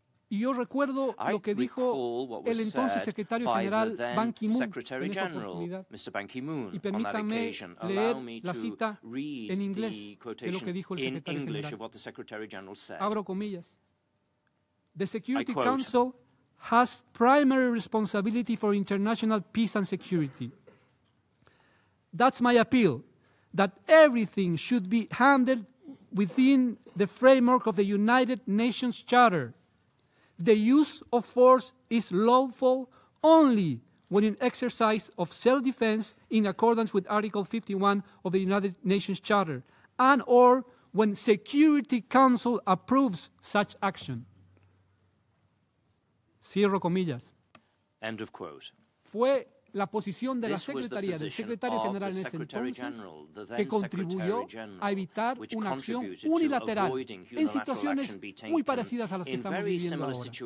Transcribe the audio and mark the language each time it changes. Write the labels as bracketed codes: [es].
[es] Y yo recuerdo lo que dijo el entonces secretario general Ban Ki-moon en esa oportunidad. Y permítanme leer la cita en inglés de lo que dijo el secretario general. Abro comillas. [en] The Security Council has primary responsibility for international peace and security. That's my appeal, that everything should be handled within the framework of the United Nations Charter. The use of force is lawful only when in exercise of self-defense in accordance with Article 51 of the United Nations Charter and or when Security Council approves such action. [es] Cierro comillas. [en] End of quote. [es] Fue la posición de la Secretaría del Secretario General en ese entonces que contribuyó a evitar una acción unilateral en situaciones muy parecidas a las que estamos viviendo ahora.